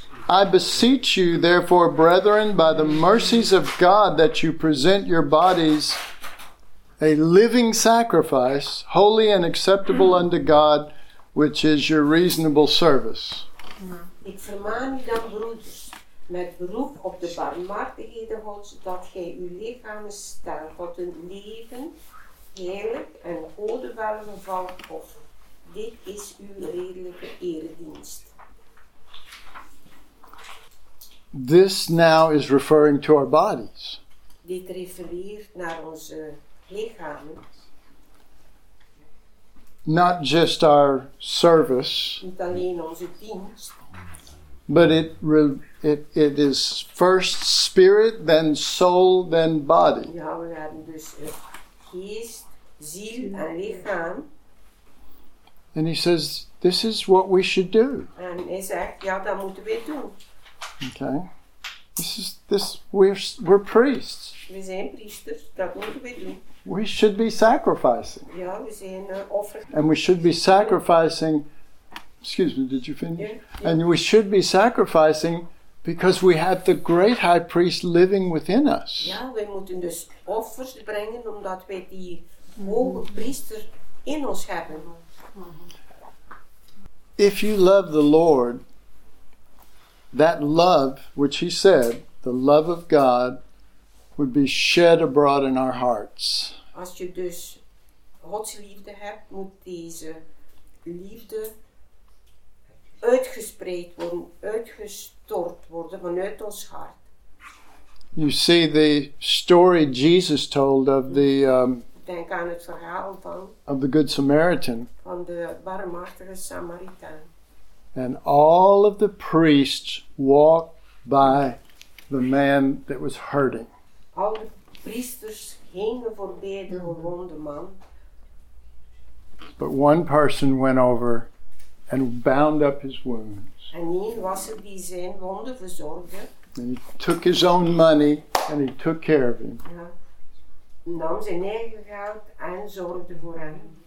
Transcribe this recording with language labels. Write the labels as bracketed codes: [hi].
[en] I beseech you, therefore, brethren, by the mercies of God, that you present your bodies a living sacrifice, holy and acceptable unto God, which is your reasonable service. [nl] Ik vermaan u dan, broeders, met beroep op de barmhartigheden Gods, dat gij uw lichamen stelt tot een leven, heerlijk en gode welgevallig offer. Dit is uw redelijke eredienst. [en] This now is referring to our bodies. [nl] Dit refereert naar onze lichamen. [en] Not just our service. [nl] Niet alleen onze dienst. [en] But it is first spirit, then soul, then body. [nl] Ja, we hebben dus geest, ziel en lichaam. [en] And he says, this is what we should do. [nl] En hij zegt, ja, dat moeten we doen. [en] Okay. This we're priests. [nl] We zijn priesters, dat moeten we doen. [en] We should be sacrificing. [nl] Ja, we zijn offer. [en] And we should be sacrificing. Excuse me, did you finish? [nl] Ja. [en] And we should be sacrificing because we have the great high priest living within us. [nl] Ja, we moeten dus offers brengen omdat wij die hoge priester in ons hebben. [en] If you love the Lord, that love, which he said, the love of God, would be shed abroad in our hearts. [nl] Als je dus Gods liefde hebt, moet deze liefde uitgespreid worden, uitgestort worden vanuit ons hart. [en] You see the story Jesus told of the [nl] denk aan het verhaal van [en] of the Good Samaritan. [nl] Van de barmhartige Samaritaan. [en] And all of the priests walked by the man that was hurting. [nl] Al de priesters gingen voorbij de gewonde man. [en] But one person went over and bound up his wounds. [nl] En één was er die zijn wonden verzorgde. [en] And he took his own money and he took care of him. [nl] Ja. Nam zijn eigen geld en zorgde voor hem.